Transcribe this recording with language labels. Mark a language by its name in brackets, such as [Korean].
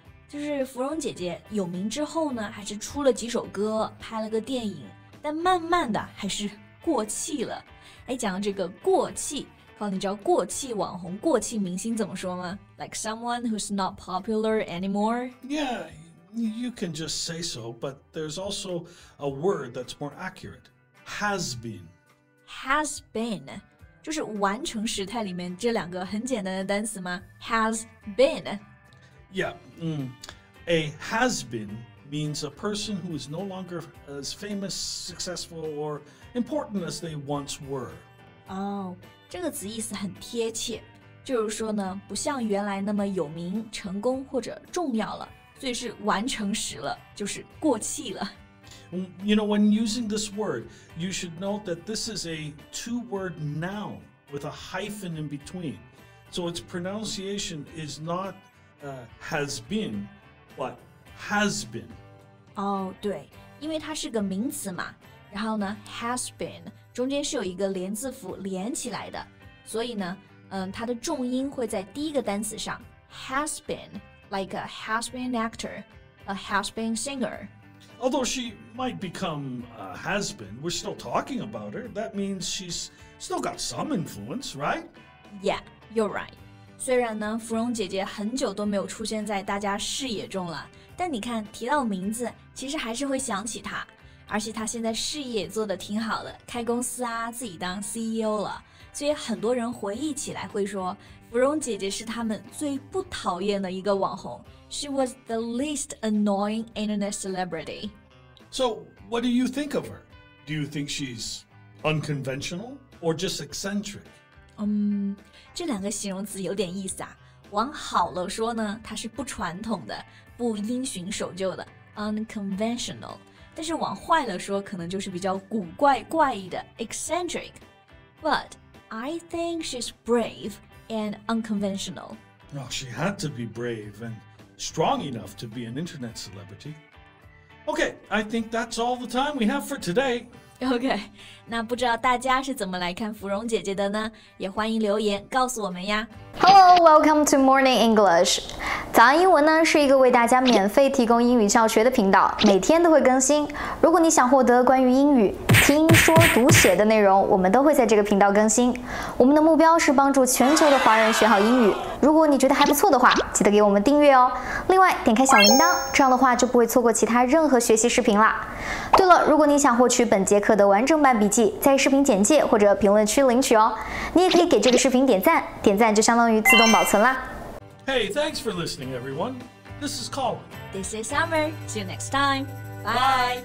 [Chinese] 就是芙蓉姐姐有名之后呢，还是出了几首歌，拍了个电影，但慢慢的还是过气了。哎，讲这个过气，靠，你知道过气网红、过气明星怎么说吗？ [English] Like someone who's not popular anymore? Yeah, you can just say so, but there's also a word that's more accurate. Has been. [Chinese] Has been, 就是完成时态里面这两个很简单的单词吗 ?Has been. [English] Yeah, a has been means a person who is no longer as famous, successful, or important as they once were. [Chinese] Oh, 这个词意思很贴切。就是说呢不像原来那么有名成功或者重要了。所以是完成时了就是过气了。 [English] You know, when using this word, you should note that this is a two-word noun with a hyphen in between. So its pronunciation is not has been, but has been. [Chinese] Oh, 对，因为它是个名词嘛，然后呢 has been, 中间是有一个连字符连起来的，所以呢，它的重音会在第一个单词上 has been, [English] like a has been actor, a has been singer. Although she might become a has-been, we're still talking about her. That means she's still got some influence, right? Yeah, you're right. [Chinese] 虽然呢，芙蓉姐姐很久都没有出现在大家视野中了，但你看，提到名字，其实还是会想起她。而且她现在事业做得挺好的，开公司啊，自己当 CEO 了。所以很多人回忆起来会说，芙蓉姐姐是他们最不讨厌的一个网红。 [English] She was the least annoying internet celebrity. So, what do you think of her? Do you think she's unconventional or just eccentric? [Chinese] 这两个形容词有点意思啊。往好了说呢，她是不传统的，不因循守旧的 ，unconventional。但是往坏了说，可能就是比较古怪怪异的 ，eccentric。 [English] But I think she's brave and unconventional. Oh, she had to be brave and... strong enough to be an internet celebrity. Okay, I think that's all the time we have for today. [Chinese] Okay, 那不知道大家是怎么来看芙蓉姐姐的呢？也欢迎留言告诉我们呀。 [English] Hello, welcome to Morning English. [Chinese] 早安英文呢，是一个为大家免费提供英语教学的频道，每天都会更新。如果你想获得关于英语听说读写的内容，我们都会在这个频道更新。我们的目标是帮助全球的华人学好英语。如果你觉得还不错的话，记得给我们订阅哦。另外，点开小铃铛，这样的话就不会错过其他任何学习视频啦。对了，如果你想获取本节课的完整版笔记，在视频简介或者评论区领取哦。你也可以给这个视频点赞，点赞就相当于自动保存啦。 [English] Hey, thanks for listening, everyone. This is Colin. This is Summer. See you next time. Bye. Bye.